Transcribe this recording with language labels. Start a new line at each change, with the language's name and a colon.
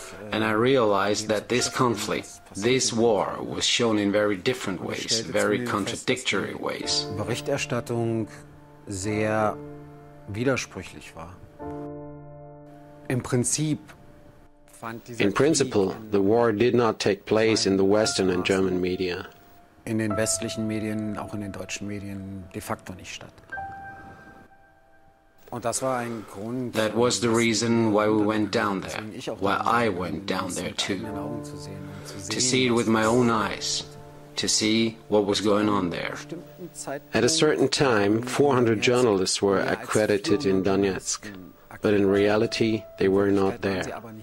English: And I realized that this conflict, this war, was shown in very different ways, very contradictory ways.
German: Berichterstattung sehr widersprüchlich war.
English: In principle, the war did not take place in the Western and German media.
German: In den westlichen Medien, auch in den deutschen Medien, de facto nicht statt. Und das war ein Grund.
English: That was the reason why we went down there, why I went down there too, to see it with my own eyes, to see what was going on there. At a certain time, 400 journalists were accredited in Donetsk, but in reality, they were not there.